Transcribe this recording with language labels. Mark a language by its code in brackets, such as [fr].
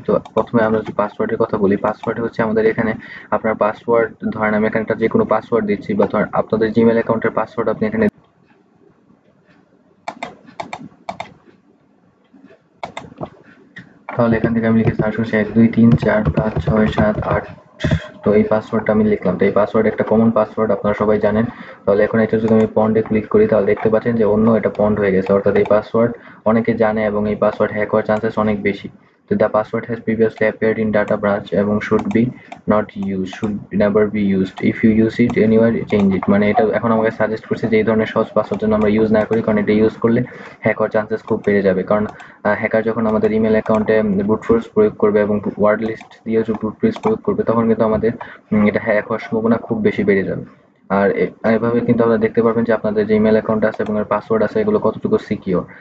[bn] তো প্রথমে আমরা যদি পাসওয়ার্ডের কথা বলি, পাসওয়ার্ড হচ্ছে আমাদের এখানে আপনার পাসওয়ার্ড, ধরেন আমি এখানে একটা যে কোনো পাসওয়ার্ড দিচ্ছি বা ধরেন আপনাদের জিমেল অ্যাকাউন্টের পাসওয়ার্ড আপনি এখানে তাহলে এখান থেকে আমি লিখে সার্চ করছি 1 2 3 4 5 6 7 8। তো এই পাসওয়ার্ডটা আমি লিখলাম, তো এই পাসওয়ার্ড একটা কমন পাসওয়ার্ড আপনারা সবাই জানেন। তাহলে এখন এটা যদি আমি পন্ডে ক্লিক করি তাহলে দেখতে পাচ্ছেন যে অন্য এটা পন্ড হয়ে গেছে, অর্থাৎ এই পাসওয়ার্ড অনেকে জানে এবং এই পাসওয়ার্ড হ্যাক হওয়ার চান্সেস অনেক বেশি। [en] the password has previously appeared in data branch [bn] এবং [en] should be not used, should never be used. If you use it anywhere, change it. [bn] মানে এটা এখন আমাকে সাজেস্ট করছে যে এই ধরনের সহজ পাসওয়ার্ড যেন আমরা ইউজ না করি, কারণ এটা ইউজ করলে হ্যাকার চান্সেস খুব বেড়ে যাবে। কারণ হ্যাকার যখন আমাদের ইমেল অ্যাকাউন্টে ব্রুট ফোর্স প্রয়োগ করবে এবং ওয়ার্ড লিস্ট দিয়ে যে ব্রুট ফোর্স প্রয়োগ করবে, তখন কিন্তু আমাদের এটা হ্যাক হওয়ার সম্ভাবনা খুব বেশি বেড়ে যাবে। আর এভাবে কিন্তু আপনারা দেখতে পারবেন যে আপনাদের যে ইমেল অ্যাকাউন্ট আছে এবং পাসওয়ার্ড আছে এগুলো কতটুকু সিকিওর।